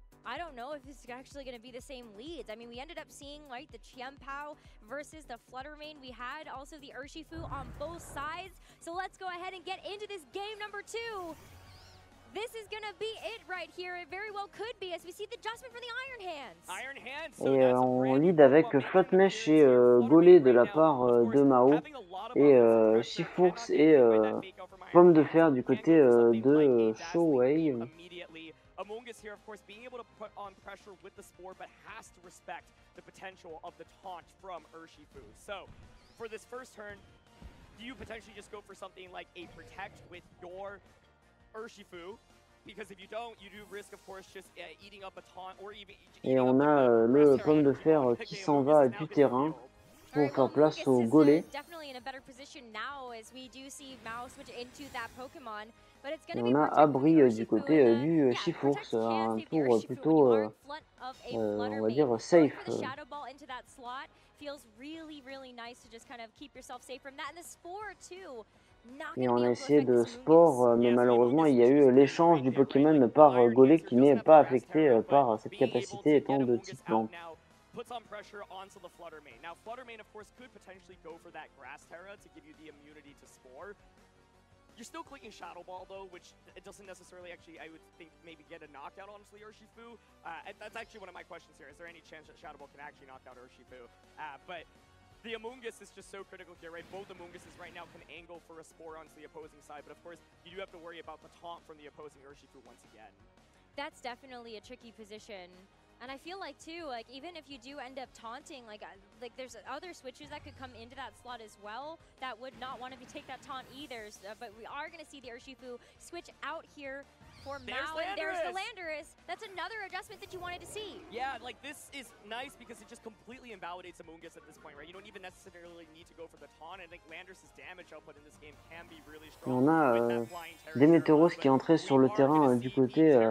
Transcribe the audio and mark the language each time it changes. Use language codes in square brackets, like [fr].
[en] I don't know if it's actually going to be the same leads. I mean, we ended up seeing like the Champ Pao versus the Fluttermane. We had also the Urshifu on both sides. So let's go ahead and get into this game number two. This is going to be it right here. It very well could be as we see the adjustment from the Iron Hands. Iron Hands. [fr] Et on lead avec Flat Mesh et Golet de la part de Mao et Chifourse et Pomme de Fer du côté de Showway. [en] Amoongus here, of course, being able to put on pressure with the Spore, but has to respect the potential of the taunt from Urshifu. So, for this first turn, do you potentially just go for something like a Protect with your Urshifu? Because if you don't, you do risk, of course, just eating up a taunt or even... [fr] Et on a le Pomme de Fer qui s'en va du terrain. Pour faire place au Golet. [en] Definitely in a better position now as we do see Mao switch into that Pokemon. But it's [fr] on a Abri du côté du Chifourse, un tour plutôt, on va dire, safe. [en] Shadow Ball into that slot feels really, really nice to just kind of keep yourself safe from that. And the Spore too. [fr] Et on a essayé de Spore, mais malheureusement, il y a eu l'échange du Pokémon par Golet qui n'est pas affecté par cette capacité étant de type plante. [en] Puts on pressure onto the Fluttermane. Now, Fluttermane, of course, could potentially go for that Grass Terra to give you the immunity to Spore. You're still clicking Shadow Ball, though, which it doesn't necessarily actually, I would think, maybe get a knockout onto the Urshifu. That's actually one of my questions here. Is there any chance that Shadow Ball can actually knock out Urshifu? But the Amoongus is just so critical here, right? Both Amoonguses right now can angle for a Spore onto the opposing side, but of course, you do have to worry about the taunt from the opposing Urshifu once again. That's definitely a tricky position. And I feel like too, like even if you do end up taunting, like there's other switches that could come into that slot as well that would not want to be take that taunt either. So, but we are going to see the Urshifu switch out here for Mao. There's the Landorus. That's another adjustment that you wanted to see. Yeah, like this is nice because it just completely invalidates Amoongus at this point, right? You don't even necessarily need to go for the taunt. I think Landorus's damage output in this game can be really strong. [fr] On a Demeteros qui est entré sur le terrain du côté.